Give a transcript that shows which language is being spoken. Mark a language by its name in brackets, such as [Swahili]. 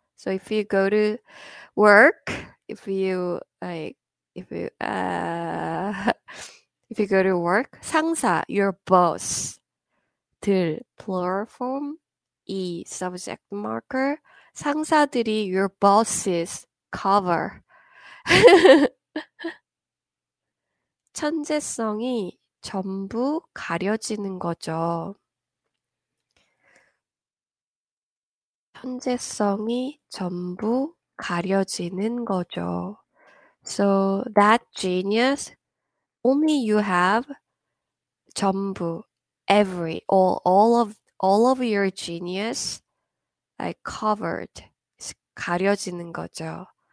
[English] So if you go to work, if you go to work, 상사, your boss, 들, plural form, e, subject marker, 상사들이 your boss's cover. [Korean] 천재성이 전부 가려지는 거죠. 천재성이 전부 가려지는 거죠. [English] So that genius. Only you have 전부, every, all of your genius like covered, [Korean] 가려지는 거죠.